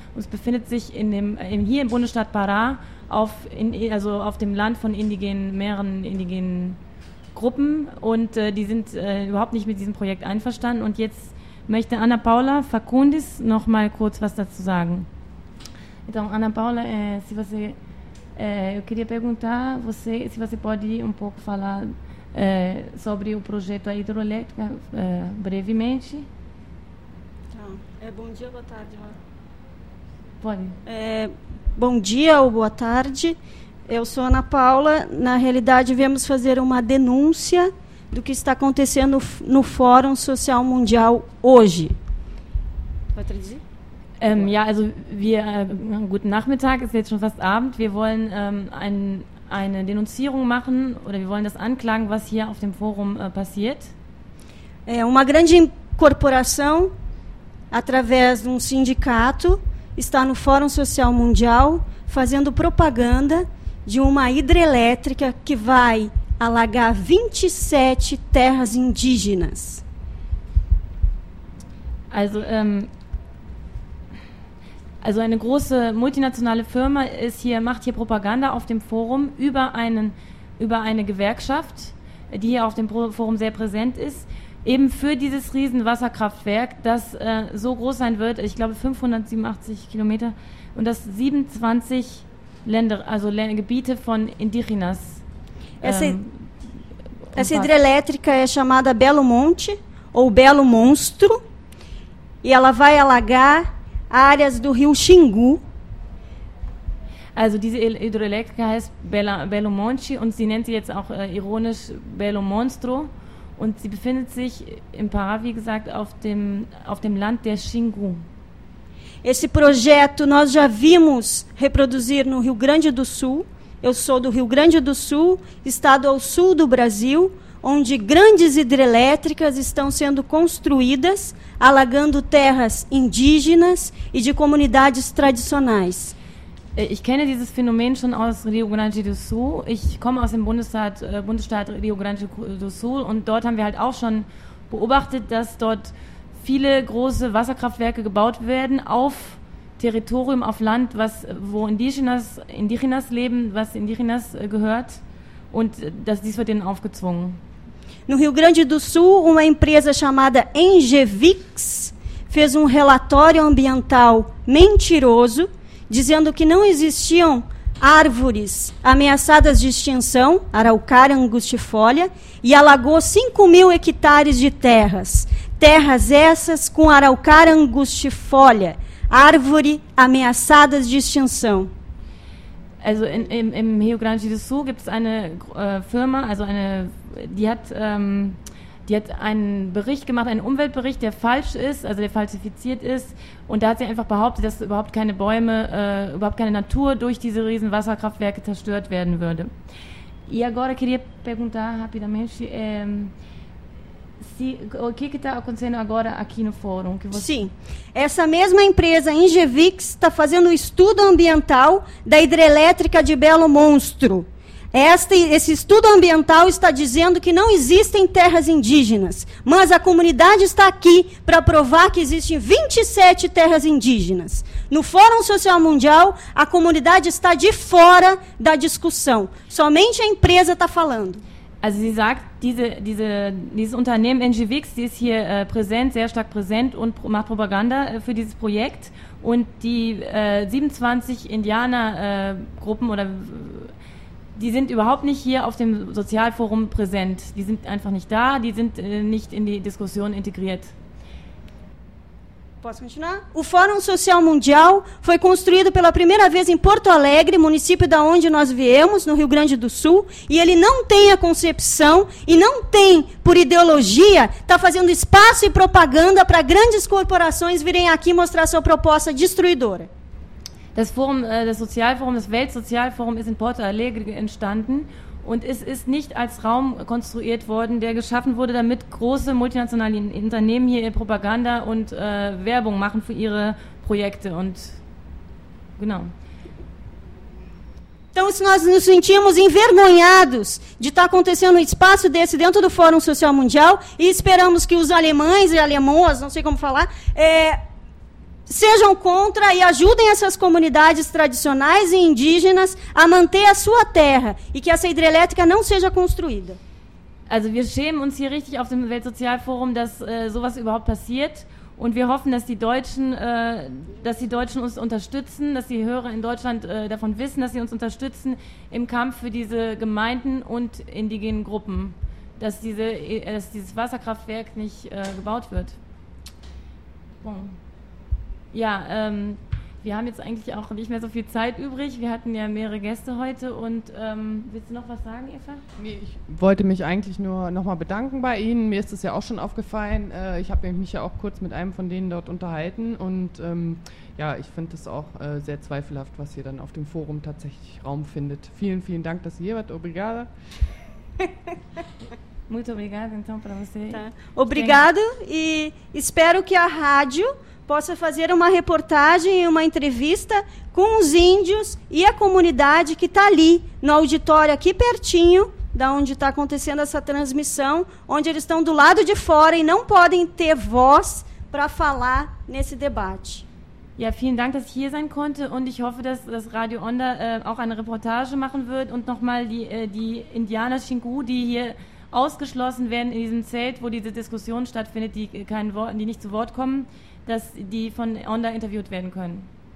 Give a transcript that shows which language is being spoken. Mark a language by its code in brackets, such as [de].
[de] Und es befindet sich hier im Bundesstaat Pará, auf dem Land von mehreren indigenen Gruppen. Und die sind überhaupt nicht mit diesem Projekt einverstanden. Und jetzt möchte Ana Paula Facundis noch mal kurz was dazu sagen. [pt] Então, Ana Paula, eu queria perguntar você se você pode um pouco falar sobre o projeto hidrelétrico brevemente. Então, bom dia, boa tarde. Pode. Bom dia ou boa tarde. Eu sou Ana Paula. Na realidade, viemos fazer uma denúncia do que está acontecendo no Fórum Social Mundial hoje. Pode traduzir? [de] Ja, also wir, guten Nachmittag, es ist jetzt schon fast Abend. Wir wollen eine Denunzierung machen oder wir wollen das anklagen, was hier auf dem Forum passiert. [pt] Uma grande corporação, através de sindicato, está no Fórum Social Mundial fazendo propaganda de uma hidrelétrica que vai alagar 27 terras indígenas. [de] Also, also eine große multinationale Firma macht hier Propaganda auf dem Forum über eine Gewerkschaft, die hier auf dem Forum sehr präsent ist, eben für dieses Riesenwasserkraftwerk, das so groß sein wird, ich glaube 587 Kilometer, und das 27 Länder, also Gebiete von Indígenas. [pt] Essa hidrelétrica é chamada Belo Monte, ou Belo Monstro, e ela vai alagar áreas do rio Xingu. [de] Also diese Hidroelektrika heißt Belo Monte und sie nennt sie jetzt auch ironisch Belo Monstro und sie befindet sich im Pará, wie gesagt, auf dem Land der Xingu. [pt] Esse projeto nós já vimos reproduzir no Rio Grande do Sul. Eu sou do Rio Grande do Sul, estado ao sul do Brasil, onde grandes hidrelétricas estão sendo construídas, alagando terras indígenas e de comunidades tradicionais. [de] Ich kenne dieses Phänomen schon aus Rio Grande do Sul. Ich komme aus dem Bundesstaat Rio Grande do Sul und dort haben wir halt auch schon beobachtet, dass dort viele große Wasserkraftwerke gebaut werden auf Territorium, auf Land, wo Indígenas leben, was Indígenas gehört und dass dies wird ihnen aufgezwungen. [pt] No Rio Grande do Sul, uma empresa chamada Engevix fez relatório ambiental mentiroso, dizendo que não existiam árvores ameaçadas de extinção, araucária angustifólia, e alagou 5 mil hectares de terras. Terras essas com araucária angustifólia, árvore ameaçada de extinção. [de] Also im Rio Grande do Sul gibt es eine Firma, also eine, die hat einen Bericht gemacht, einen Umweltbericht, der falsch ist, also der falsifiziert ist. Und da hat sie einfach behauptet, dass überhaupt keine Bäume, überhaupt keine Natur durch diese riesen Wasserkraftwerke zerstört werden würde. [pt] E agora queria perguntar rapidamente, o que está acontecendo agora aqui no fórum? Sim, essa mesma empresa, Engevix, está fazendo um estudo ambiental da hidrelétrica de Belo Monstro. Esse estudo ambiental está dizendo que não existem terras indígenas, mas a comunidade está aqui para provar que existem 27 terras indígenas. No Fórum Social Mundial, a comunidade está de fora da discussão. Somente a empresa está falando. [de] Also sie sagt, dieses Unternehmen Engevix, die ist hier präsent, sehr stark präsent und macht Propaganda für dieses Projekt. Und die 27 Indianergruppen oder die sind überhaupt nicht hier auf dem Sozialforum präsent. Die sind einfach nicht da, die sind nicht in die Diskussion integriert. [pt] Posso continuar? O Fórum Social Mundial foi construído pela primeira vez em Porto Alegre, município de onde nós viemos, no Rio Grande do Sul, e ele não tem a concepção e não tem, por ideologia, está fazendo espaço e propaganda para grandes corporações virem aqui mostrar sua proposta destruidora. [de] Das Forum, das Sozialforum, das Weltsozialforum ist in Porto Alegre entstanden und es ist nicht als Raum konstruiert worden, der geschaffen wurde, damit große multinationale Unternehmen hier Propaganda und Werbung machen für ihre Projekte und genau. [pt] Então, se nós nos sentimos envergonhados de estar acontecendo um espaço desse dentro do Fórum Social Mundial e esperamos que os alemães e alemãs, não sei como falar, sejam contra e ajudem essas comunidades tradicionais e indígenas a manter a sua terra e que essa hidrelétrica não seja construída. [de] Also wir schämen uns hier richtig auf dem Weltsozialforum, dass sowas überhaupt passiert und wir hoffen, dass die Deutschen uns unterstützen, dass die Hörer in Deutschland davon wissen, dass sie uns unterstützen im Kampf für diese Gemeinden und indigenen Gruppen, dass dieses Wasserkraftwerk nicht gebaut wird. Bon. Ja, wir haben jetzt eigentlich auch nicht mehr so viel Zeit übrig. Wir hatten ja mehrere Gäste heute und willst du noch was sagen, Eva? Nee, ich wollte mich eigentlich nur nochmal bedanken bei Ihnen. Mir ist es ja auch schon aufgefallen. Ich habe mich ja auch kurz mit einem von denen dort unterhalten und ja, ich finde es auch sehr zweifelhaft, was hier dann auf dem Forum tatsächlich Raum findet. Vielen, vielen Dank, dass ihr hier wart. [pt] Obrigada. Muito obrigada, então, para você. Tá. Obrigado e espero que a rádio possa fazer uma reportagem e uma entrevista com os índios e a comunidade que está ali, no auditório aqui pertinho, da onde está acontecendo essa transmissão, onde eles estão do lado de fora e não podem ter voz para falar nesse debate. [de] Ja, vielen Dank, dass ich hier sein konnte und ich hoffe, dass das Radio Onda auch eine Reportage machen wird und nochmal die Indianer Xingu, die hier ausgeschlossen werden in diesem Zelt, wo diese Diskussion stattfindet, die nicht zu Wort kommen, dass die von Onda interviewt werden können.